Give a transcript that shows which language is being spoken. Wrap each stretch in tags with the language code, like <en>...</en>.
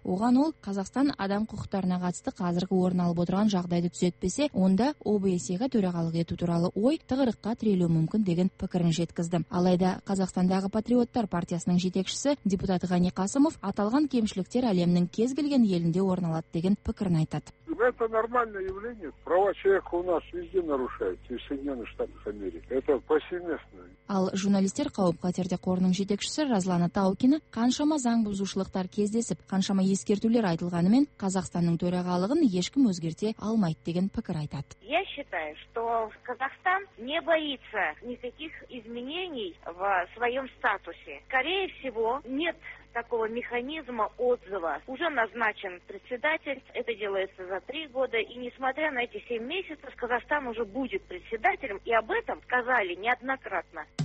<kk>Оған ол, Қазақстан адам құқықтарына қатысты қазіргі орын алып отырған жағдайды түзетпесе, онда ОБСЕ-ге төрағалық ету туралы ой тығырыққа тірелуі мүмкін деген пікірін жеткізді. Алайда Қазақстандағы Патриоттар партиясының жетекшісі депутат Ғани Қасымов аталған кемшіліктер әлемнің кез келген елінде орналады деген пікірін айтады.</kk> <ru>Это нормальное явление. Права человека у нас везде нарушаются, в Соединенных Штатах Америки. Это повсеместно.</ru> <kk>Ал журналистер қауіп-қатерде қорының жетекшісі Разлана Таукина қаншама заң бұзушылықтар кездесіп, қаншама ескертулер айтылғанымен Қазақстанның төрағалығын ешкім өзгерте алмайды деген пікір айтады.</kk> <ru>Я считаю, что Казахстан не боится никаких изменений в своем статусе. Скорее всего, нет такого механизма отзыва. Уже назначен председатель, это делается за 3 года, и несмотря на эти 7 месяцев, Казахстан уже будет председателем, и об этом сказали неоднократно.</ru>